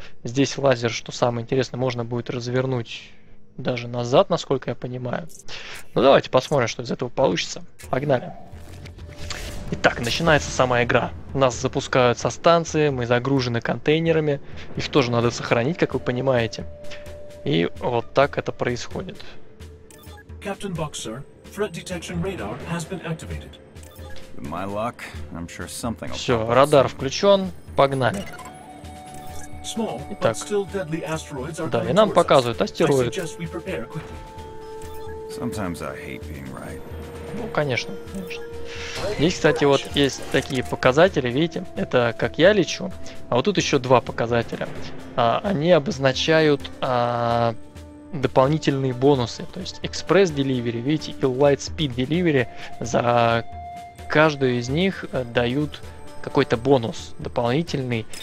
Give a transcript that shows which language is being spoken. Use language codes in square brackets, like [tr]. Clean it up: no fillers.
[ru] Здесь лазер, что самое интересное, можно будет развернуть даже назад, насколько я понимаю. Ну давайте посмотрим, что из этого получится. Погнали. Итак, начинается сама игра. Нас запускают со станции, мы загружены контейнерами. Их тоже надо сохранить, как вы понимаете. И вот так это происходит. [en] Captain Box, sir, threat detection radar has been activated. With my luck, I'm sure something will happen. [ru] Все, радар включен, погнали. Итак, да, и нам показывают астероид. [en] Sometimes I hate being right. [ru] Ну, конечно, конечно. Здесь, кстати, вот есть такие показатели, видите, это как я лечу, а вот тут еще два показателя. Они обозначают дополнительные бонусы, то есть Express Delivery, видите, и Light Speed Delivery, за каждую из них дают какой-то бонус дополнительный.